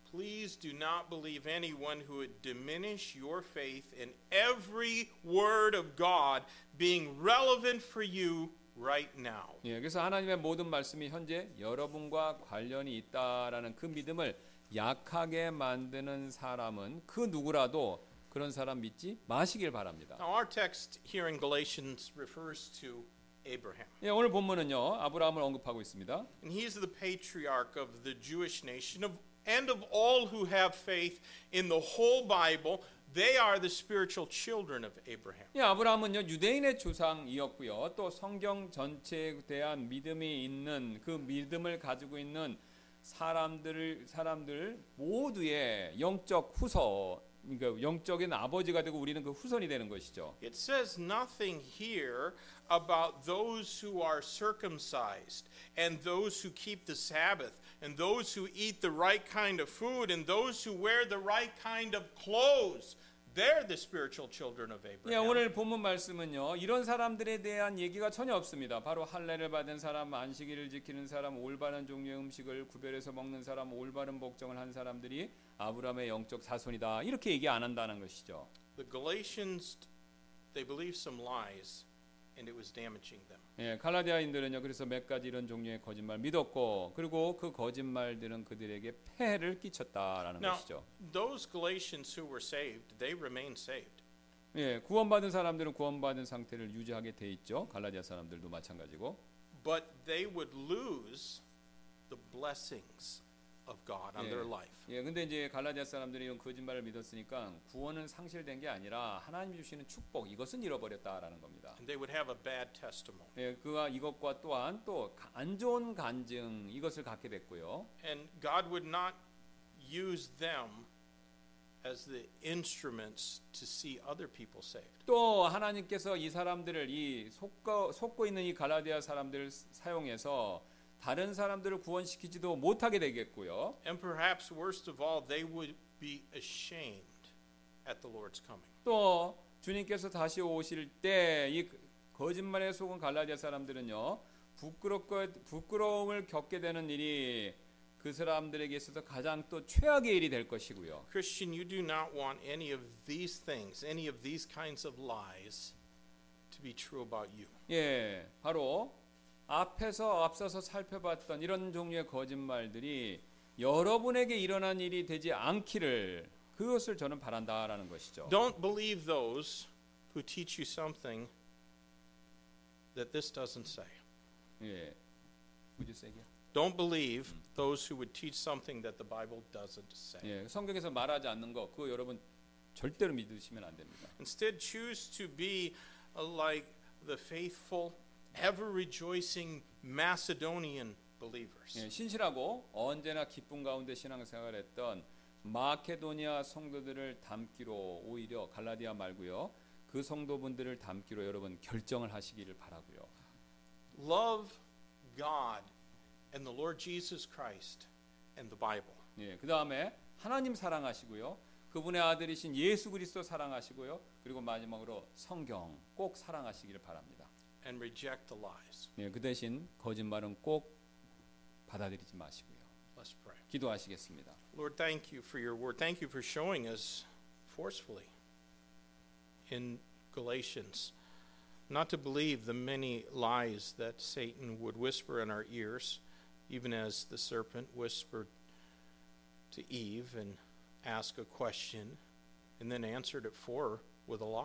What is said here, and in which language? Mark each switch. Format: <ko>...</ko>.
<en>Please do not believe anyone who would diminish your faith in every word of God being relevant for you right now.</en> <ko>예, 그래서 하나님의 모든 말씀이 현재 여러분과 관련이 있다라는 그 믿음을 약하게 만드는 사람은 그 누구라도 그런 사람 믿지 마시길 바랍니다.</ko> <en>Now our text here in Galatians refers to Abraham.</en> <ko>예, 오늘 본문은요. 아브라함을 언급하고 있습니다.</ko> <en>And he is the patriarch of the Jewish nation of And of all who have faith in the whole Bible, they are the spiritual children of Abraham.</en> <ko>예, 아브라함은요 유대인의 조상이었고요. 또 성경 전체에 대한 믿음이 있는 그 믿음을 가지고 있는 사람들 모두의 영적 후손, 그러니까 영적인 아버지가 되고 우리는 그 후손이 되는 것이죠.</ko> <en>It says nothing here about those who are circumcised and those who keep the Sabbath. And those who eat the right kind of food and those who wear the right kind of clothes, they're the spiritual children of Abraham.</en> <ko>예, 오늘 본문 말씀은요. 이런 사람들에 대한 얘기가 전혀 없습니다. 바로 할례를 받은 사람, 안식일을 지키는 사람, 올바른 종류의 음식을 구별해서 먹는 사람, 올바른 복종을 한 사람들이 아브라함의 영적 자손이다. 이렇게 얘기 안 한다는 것이죠.</ko> <en>The Galatians, they believe some lies. And it was damaging them.</en> <ko>예, 갈라디아인들은요. 그래서 몇 가지 이런 종류의 거짓말 믿었고, 그리고 그 거짓말들은 그들에게 폐해를 끼쳤다라는</ko> <en>Now,</en> <ko>것이죠.</ko> <en>Those Galatians who were saved, they remained saved.</en> <ko>예, 구원받은 사람들은 구원받은 상태를 유지하게 돼 있죠. 갈라디아 사람들도 마찬가지고.</ko> <en>But they would lose the blessings of God on their life.</en> <ko>예, 근데 이제 갈라디아 사람들이 이런 거짓말을 믿었으니까 구원은 상실된 게 아니라 하나님이 주시는 축복 이것은 잃어버렸다라는 겁니다.</ko> <en>And they would have a bad testimony.</en> <ko>예, 그와 이것과 또한 또 안 좋은 간증 이것을 갖게 됐고요.</ko> <en>And God would not use them as the instruments to see other people saved.</en> <ko>또 하나님께서 이 사람들을 이 속고 있는 이 갈라디아 사람들을 사용해서 다른 사람들을 구원시키지도 못하게 되겠고요.</ko> <en>And perhaps worst of all, they would be ashamed at the Lord's coming.</en> <ko>또 주님께서 다시 오실 때 이 거짓말에 속은 갈라디아 사람들은요 부끄러움을 겪게 되는 일이 그 사람들에게 있어서 가장 또 최악의 일이 될 것이고요.</ko> <en>Christian, you do not want any of these things, any of these kinds of lies, to be true about you.</en> <ko>예, 바로. 앞에서 앞서서 살펴봤던 이런 종류의 거짓말들이 여러분에게 일어난 일이 되지 않기를 그것을 저는 바란다라는 것이죠.</ko> <en>Don't believe those who teach you something that this doesn't say. 예. Would you say again? Don't believe those who would teach something that the Bible doesn't say.</en> <ko>예, 성경에서 말하지 않는 거 그거 여러분 절대로 믿으시면 안 됩니다.</ko> <en>Instead choose to be like the faithful ever rejoicing Macedonian believers.</en> <ko>예, 신실하고 언제나 기쁨 가운데 신앙생활을 했던 마케도니아 성도들을 담기로 오히려 갈라디아 말고요. 그 성도분들을 담기로 여러분 결정을 하시기를 바라고요.</ko> <en>Love God and the Lord Jesus Christ and the Bible.</en> <ko>예, 그다음에 하나님 사랑하시고요. 그분의 아들이신 예수 그리스도 사랑하시고요. 그리고 마지막으로 성경 꼭 사랑하시기를 바랍니다.</ko> <en>And reject the lies.</en> <ko>예, 그 대신 거짓말은 꼭 받아들이지 마시고요.</ko> <en>Let's pray.</en> <ko>기도하시겠습니다.</ko> <en>Lord, thank you for your word. Thank you for showing us forcefully in Galatians not to believe the many lies that Satan would whisper in our ears, even as the serpent whispered to Eve and asked a question and then answered it for her with a lie.</en>